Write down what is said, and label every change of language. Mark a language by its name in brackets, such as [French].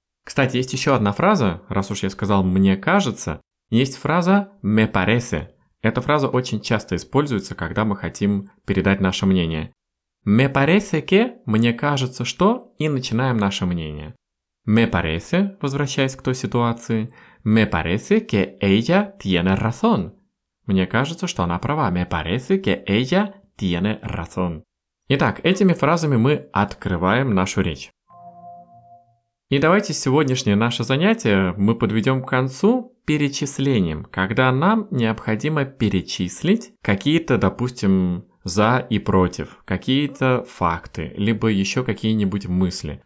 [Russian] Кстати, есть еще одна фраза, раз уж я сказал «мне кажется», есть фраза [Spanish] «me parece». [Russian] Эта фраза очень часто используется, когда мы хотим передать наше мнение. [Spanish] «Me parece que» [Russian] – «мне кажется что» и начинаем наше мнение. [Spanish] «Me parece» – [Russian] возвращаясь к той ситуации [Spanish] – «Me parece que ella tiene razón». [Russian] «Мне кажется, что она права». [Spanish] «Me parece que ella tiene razón». [Russian] Итак, этими фразами мы открываем нашу речь. И давайте сегодняшнее наше занятие мы подведем к концу перечислением, когда нам необходимо перечислить какие-то, допустим, «за» и «против», какие-то факты, либо еще какие-нибудь мысли.